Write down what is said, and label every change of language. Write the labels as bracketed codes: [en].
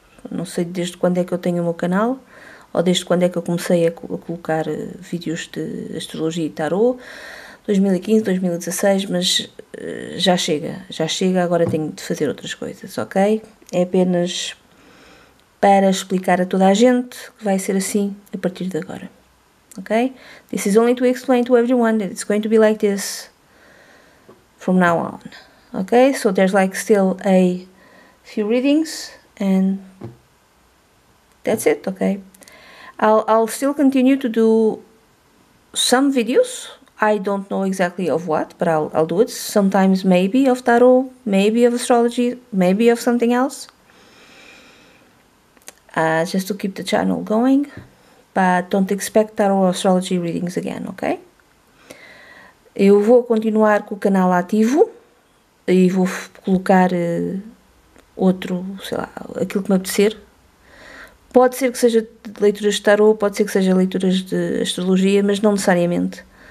[pt] Não sei desde quando é que eu tenho o meu canal ou desde quando é que eu comecei a colocar vídeos de astrologia e tarô, 2015, 2016, mas já chega, agora tenho de fazer outras coisas, ok? É apenas para explicar a toda a gente que vai ser assim a partir de agora, ok? [en] This is only to explain to everyone that it's going to be like this from now on, ok? So there's like still a few readings and that's it, okay? I'll still continue to do some videos. I don't know exactly of what, but I'll do it. Sometimes maybe of tarot, maybe of astrology, maybe of something else. Just to keep the channel going. But don't expect tarot astrology readings again, okay? [pt] Eu vou continuar com o canal ativo e vou colocar outro, sei lá, aquilo que me apetecer. Pode ser que seja de leituras de tarô, pode ser que seja leituras de astrologia, mas não necessariamente.